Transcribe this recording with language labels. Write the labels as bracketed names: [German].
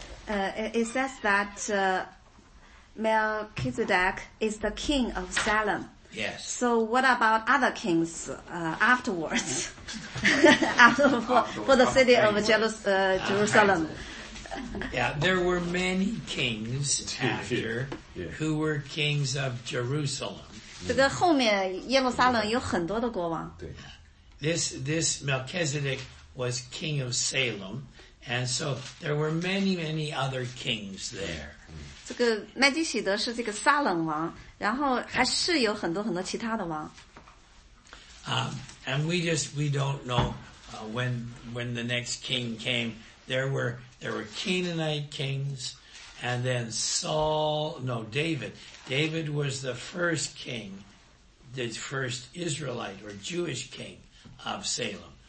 [English] It says that Melchizedek is the king of Salem. Yes. So what about other kings afterwards? for the city of Jerusalem. Yeah, there were many kings after who were kings of Jerusalem. [Chinese] 这个后面耶路撒冷有很多的国王。 [English] This Melchizedek was king of Salem, and so there were many, many other kings there. [Chinese] 这个麦基洗德是这个撒冷王，然后还是有很多很多其他的王。 [English] And we don't know when the next king came. There were Canaanite kings, and then David. David was the first king, the first Israelite or Jewish king of Salem.